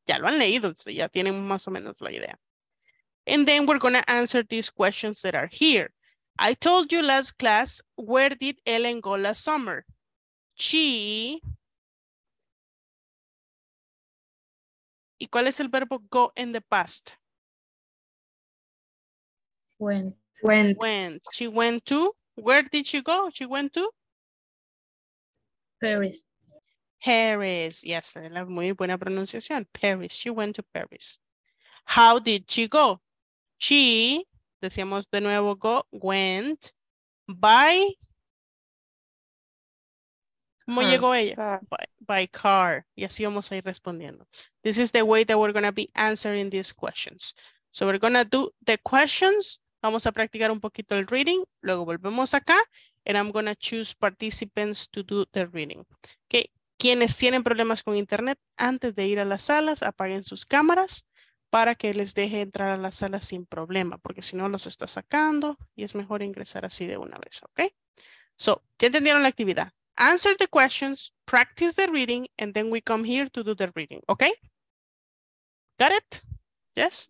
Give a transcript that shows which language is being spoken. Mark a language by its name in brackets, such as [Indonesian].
[Spanish] Ya lo han leído, so ya tienen más o menos la idea. [English] And then we're going to answer these questions that are here. I told you last class, where did Ellen go last summer? She. [Spanish] ¿Y cuál es el verbo [English] go in the past? Went. She went to. Where did she go? She went to. Paris. Paris, yes, [Spanish] la muy buena pronunciación. [English] Paris, she went to Paris. How did she go? She, [Spanish] decíamos de nuevo, [English] go, went by. [Spanish] ¿Cómo llegó ella? [English] By car. [Spanish] Y así vamos a ir respondiendo. [English] This is the way that we're going to be answering these questions. So we're going to do the questions. [Spanish] Vamos a practicar un poquito el reading. Luego volvemos acá. [English] And I'm going to choose participants to do the reading. Okay. [Spanish] Quienes tienen problemas con internet, antes de ir a las salas, apaguen sus cámaras para que les deje entrar a las salas sin problema, porque si no los está sacando y es mejor ingresar así de una vez, ¿ok? [English] So, [Spanish] ¿ya entendieron la actividad? [English] Answer the questions, practice the reading, and then we come here to do the reading, ¿ok? Got it? Yes?